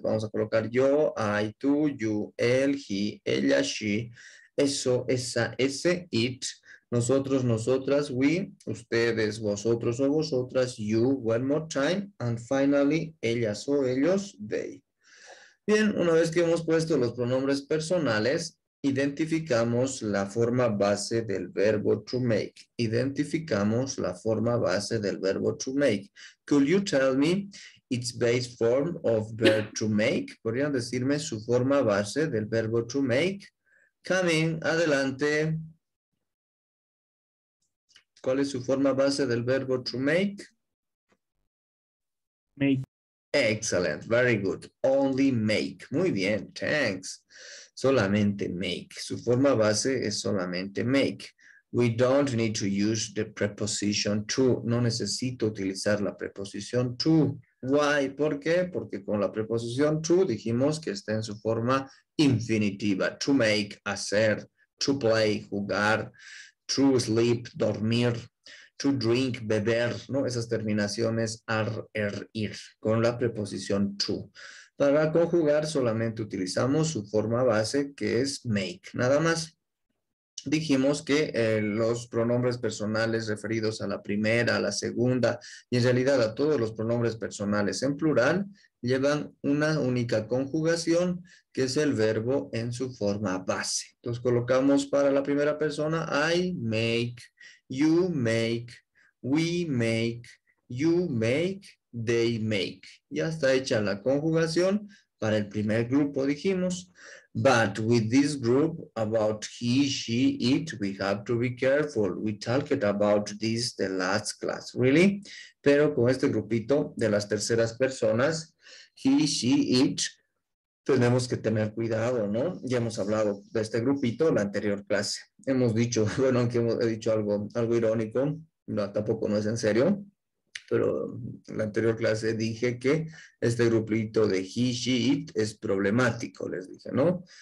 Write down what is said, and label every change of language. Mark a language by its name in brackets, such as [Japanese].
[Spanish] Vamos a colocar yo, I, tú, you, él, he, ella, she, eso, esa, ese, it, nosotros, nosotras, we, ustedes, vosotros o vosotras, you, one more time, and finally, ellas o ellos, they. Bien, una vez que hemos puesto los pronombres personales, identificamos la forma base del verbo to make. Identificamos la forma base del verbo to make. [English] Could you tell me its base form of verb to make? [Spanish] ¿Podrían decirme su forma base del verbo to make? Coming, adelante. ¿Cuál es su forma base del verbo to make? [English] Make. Excellent, very good. Only make. [Spanish] Muy bien, [English] thanks. [Spanish] Solamente make. Su forma base es solamente make. [English] We don't need to use the preposition to. [Spanish] No necesito utilizar la preposición to. Why? ¿Por qué? Porque con la preposición to dijimos que está en su forma infinitiva. To make, hacer, to play, jugar, to sleep, dormir, to drink, beber, ¿no? Esas terminaciones ar, er, ir, con la preposición to. Para conjugar solamente utilizamos su forma base, que es make, nada más. Dijimos que los pronombres personales referidos a la primera, a la segunda, y en realidad a todos los pronombres personales en plural, llevan una única conjugación, que es el verbo en su forma base. Entonces colocamos para la primera persona, I make, you make, we make, you make, they make. Ya está hecha la conjugación para el primer grupo, dijimos. [English] But with this group about he, she, it, we have to be careful. We talked about this the last class, really. [Spanish] Pero con este grupito de las terceras personas, he, she, it, tenemos que tener cuidado, ¿no? Ya hemos hablado de este grupito la anterior clase. Hemos dicho, bueno, aunque he dicho algo irónico, no, tampoco no es en serio, pero en la anterior clase dije que este grupito de he, she, it es problemático, les dije, ¿no?